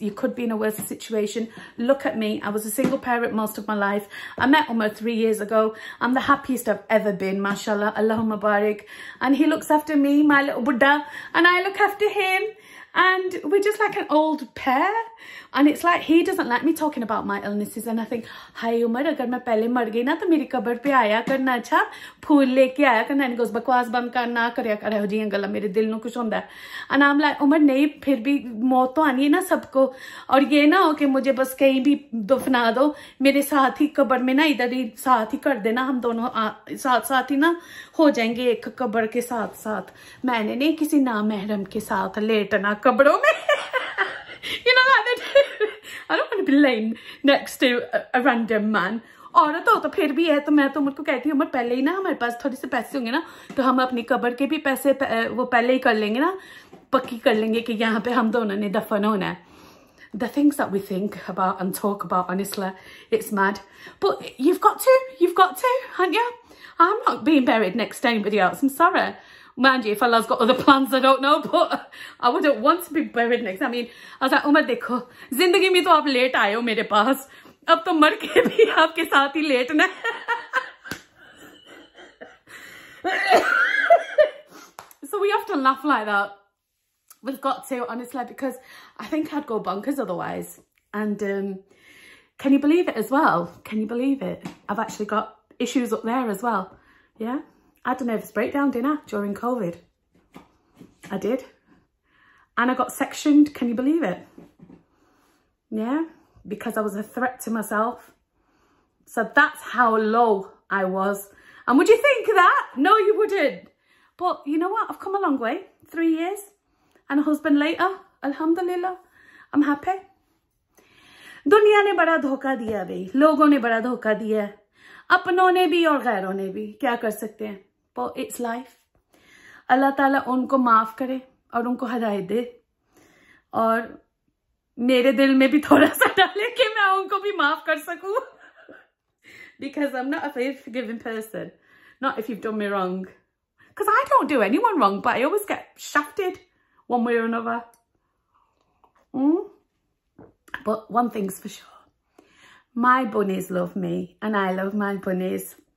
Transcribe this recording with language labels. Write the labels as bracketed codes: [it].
[en] You could be in a worse situation. Look at me. I was a single parent most of my life. I met Umar 3 years ago. I'm the happiest I've ever been, mashallah. Allahumma barik. And he looks after me, my little Buddha. And I look after him. And we're just like an old pair. And it's like he doesn't like me talking about my illnesses. And I think، [ur] ہائے عمر، اگر میں پہلے مر گئی نا تو میری قبر پہ آیا کرنا چا، پھول لے کے آیا کرنا۔ [en] And he goes، [pa] بکواس بند کرنا، کریا کر ہو جی انگلا، میرے دل نوں کچھ ہوندا۔ [en] And I'm like، [ur] عمر، نہیں، پھر بھی موت تو آنی ہے نا سب کو۔ اور یہ نہ ہو کے مجھے بس کہیں بھی دفنا دو، میرے ساتھ ہی قبر میں نہ ادھر ہی ساتھ ہی کر دینا، ہم دونوں ساتھ ساتھ ہی نہ ہو جائیں گے ایک قبر کے ساتھ ساتھ۔ میں نے نہیں کسی نا محرم کے ساتھ لیٹنا قبروں میں۔ [en] You know, like, I don't want to be laying next to a random man. [ur] اور تو پھر بھی ہے تو میں تو مجھ کو کہتی ہوں، عمر پہلے ہی نا ہمارے پاس تھوڑے سے پیسے ہوں گے نا تو ہم اپنی قبر کے بھی پیسے وہ پہلے ہی کر لیں گے نا، پکی کر لیں گے کہ یہاں پہ ہم دونوں نے دفن ہونا ہے۔ [en] The things that we think about and talk about, honestly, it's mad. But you've got to, haven't you? I'm not being buried next to anybody else, I'm sorry. Mind you، if Allah's got other plans، I don't know، but I wouldn't want to be buried next. I mean، I was like، [ur] عمر، دیکھو، زندگی میں تو آپ late آئے ہو میرے پاس۔ اب تو مر کے بھی آپ کے ساتھ ہی لیٹنا۔ [en] So we have to laugh like that. We've got to, honestly, because I think I'd go bonkers otherwise. And can you believe it as well? Can you believe it? I've actually got issues up there as well. Yeah. I had a nervous breakdown, didn't I, during COVID? I did. And I got sectioned, can you believe it? Yeah, because I was a threat to myself. So that's how low I was. And would you think that? No, you wouldn't. But you know what? I've come a long way. 3 years and a husband later. Alhamdulillah, I'm happy. [ur] دنیا نے بڑا دھوکا دیا بھائی۔ لوگوں نے بڑا دھوکا دیا۔ اپنوں نے بھی اور غیروں نے بھی۔ کیا کر سکتے ہیں؟ [en] But it's life. [ur] اللہ تعالیٰ ان کو معاف کرے اور ان کو ہدایت دے۔ اور میرے دل میں بھی تھوڑا سا ڈالے کہ میں ان کو بھی معاف کر سکوں۔ [en] Because I'm not a forgiving person. Not if you've done me wrong. Because I don't do anyone wrong, but I always get shafted one way or another. But one thing's for sure. My bunnies love me and I love my bunnies.